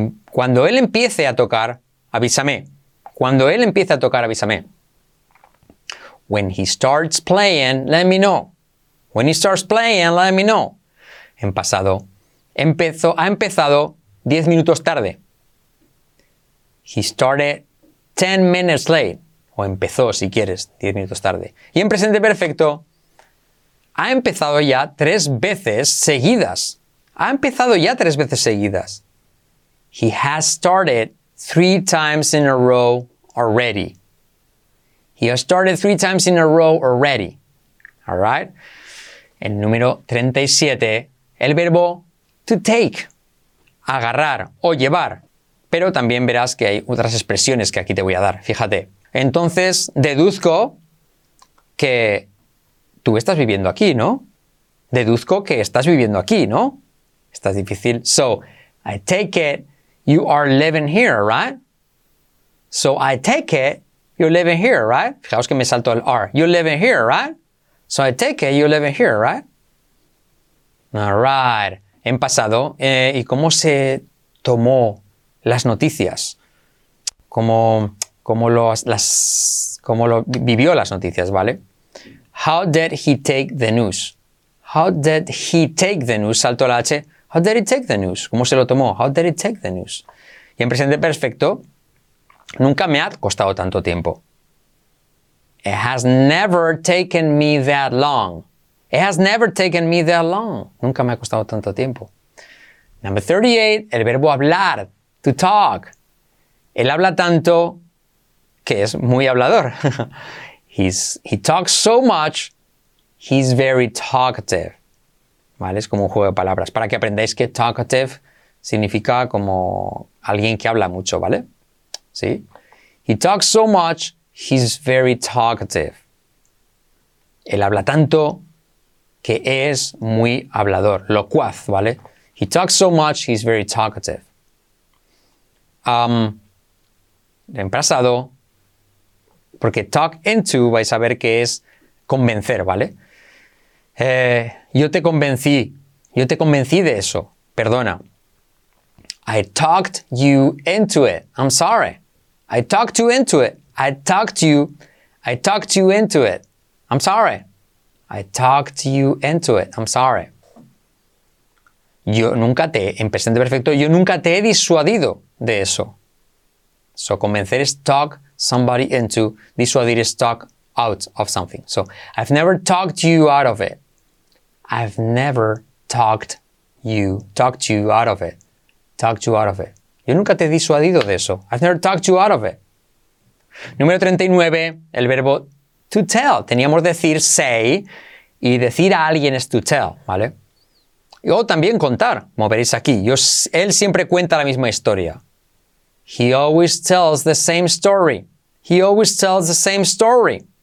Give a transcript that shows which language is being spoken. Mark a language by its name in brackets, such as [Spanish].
[Spanish] Cuando él empiece a tocar, avísame. Cuando él empiece a tocar, avísame. [English] When he starts playing, let me know. When he starts playing, let me know. [Spanish] En pasado. Ha empezado 10 minutos tarde. [English] He started 10 minutes late. [Spanish] O empezó, si quieres, 10 minutos tarde. Y en presente perfecto, ha empezado ya tres veces seguidas. Ha empezado ya tres veces seguidas. [English] He has started three times in a row already. He has started three times in a row already. All right? [Spanish] En número 37, el verbo to take, agarrar o llevar. Pero también verás que hay otras expresiones que aquí te voy a dar. Fíjate. Entonces, deduzco que tú estás viviendo aquí, ¿no? Deduzco que estás viviendo aquí, ¿no? Está difícil. [English] So, I take it you are living here, right? So, I take it you're living here, right? [Spanish] Fijaos que me salto el R. [English] You're living here, right? So, I take it you're living here, right? All right. [Spanish] En pasado, ¿y cómo se tomó las noticias? ¿Cómo vivió las noticias, ¿vale? [English] How did he take the news? How did he take the news? [Spanish] Salto la H. [English] How did he take the news? [Spanish] ¿Cómo se lo tomó? [English] How did he take the news? [Spanish] Y en presente perfecto, nunca me ha costado tanto tiempo. [English] It has never taken me that long. It has never taken me that long. [Spanish] Nunca me ha costado tanto tiempo. [English] Number 38, [Spanish] el verbo hablar, to talk. Él habla tanto que es muy hablador. [English] He talks so much, he's very talkative. [Spanish] ¿Vale? Es como un juego de palabras. Para que aprendáis que talkative significa como alguien que habla mucho, ¿vale? ¿Sí? [English] He talks so much, he's very talkative. [Spanish] Él habla tanto que es muy hablador, locuaz, ¿vale? [English] He talks so much, he's very talkative. [Spanish] En pasado, porque talk into, vais a ver que es convencer, ¿vale? Yo te convencí de eso, perdona. [English] I talked you into it, I'm sorry. I talked you into it, I talked you into it, I'm sorry. I talked you into it, I'm sorry. [Spanish] Yo nunca te he disuadido de eso. [English] So, [Spanish] convencer es [English] talk somebody into, [Spanish] disuadir es [English] talk out of something. So, I've never talked you out of it. I've never talked you out of it. [Spanish] Yo nunca te he disuadido de eso. [English] I've never talked you out of it. [Spanish] Número 39, el verbo to tell. Teníamos decir say y decir a alguien es to tell, ¿vale? O también contar, como veréis aquí. Él siempre cuenta la misma historia. [English] He always tells the same story. He always tells the same story.